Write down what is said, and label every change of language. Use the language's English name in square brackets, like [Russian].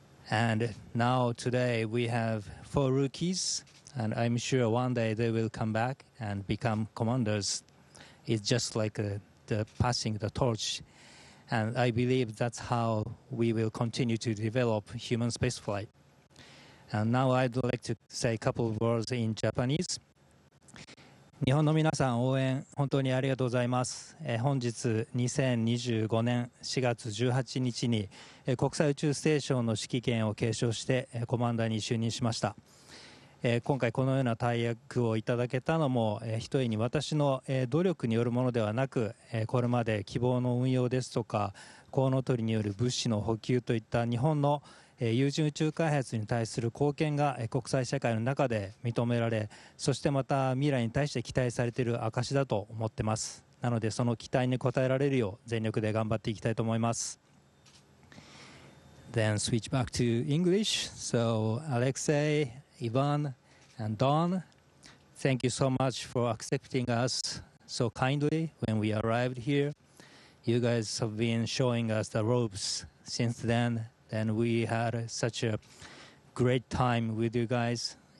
[English] And now, today, we have four rookies, and I'm sure one day they will come back and become commanders. It's just like the passing the torch. And I believe that's how we will continue to develop human spaceflight. And now I'd like to say a couple of words in Japanese. [Japanese] 日本の皆さん、応援本当にありがとうございます。本日2025年4月18日に国際宇宙ステーションの指揮権を継承してコマンダーに就任しました。今回このような大役をいただけたのも一重に私の努力によるものではなく、これまで希望の運用ですとかコウノトリによる物資の補給といった日本の有人宇宙開発に対する貢献が国際社会の中で認められ、そしてまた未来に対して期待されている証だと思ってます。なのでその期待に応えられるよう全力で頑張っていきたいと思います。 [English] Then switch back to English. So Alexey, Ivan and Don, thank you so much for accepting us so kindly when we arrived here. You guys have been showing us the ropes since thenAnd we had such a great time with you guys.